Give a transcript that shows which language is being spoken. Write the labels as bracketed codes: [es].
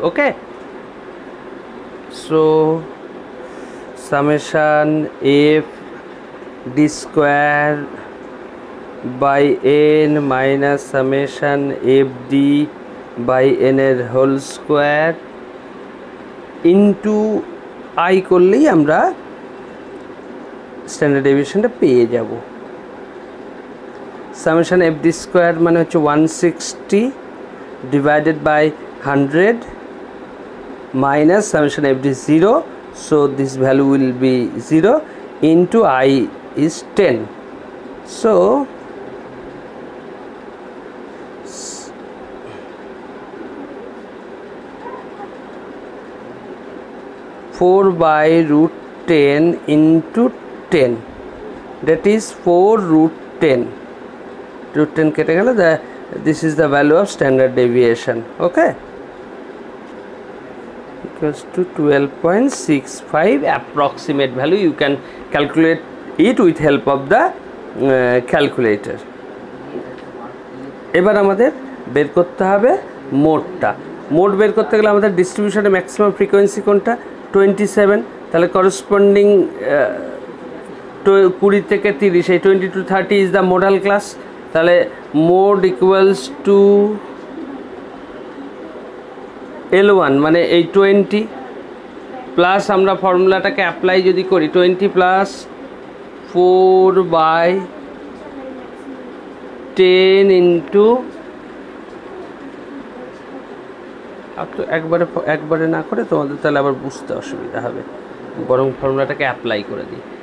[en] okay, so summation F D square by N minus summation F D by N এর whole square into I [bn] করলেই আমরা standard ডেভিয়েশনটা পেয়ে যাব। [en] summation F D square [bn] মানে হচ্ছে [en] 160 divided by 100 minus summation F D 0, so this value will be 0 into I is 10. So four by root 10 into 10, that is 4 root 10. Root 10 category, the this is the value of standard deviation, okay, equals to 12.65 approximate value. You can calculate it with help of the calculator. [bn] এবার আমাদের বের করতে হবে মোডটা. Mode বের করতে গেলে আমাদের ডিস্ট্রিবিউশনে maximum frequency কোনটা? 27. তাহলে করেসপন্ডিং 20 থেকে 30, এই 20 to 30 [en] Is the modal class. [bn] তাহলে mode equals to L one, মানে এই 20 প্লাস, আমরা ফর্মুলাটাকে অ্যাপ্লাই যদি করি, 20 প্লাস 4 by 10 ইন্টু আপটু, একবারে একবারে না করে তোমাদের তাহলে আবার বুঝতে অসুবিধা হবে, বরং ফর্মুলাটাকে অ্যাপ্লাই করে দিই.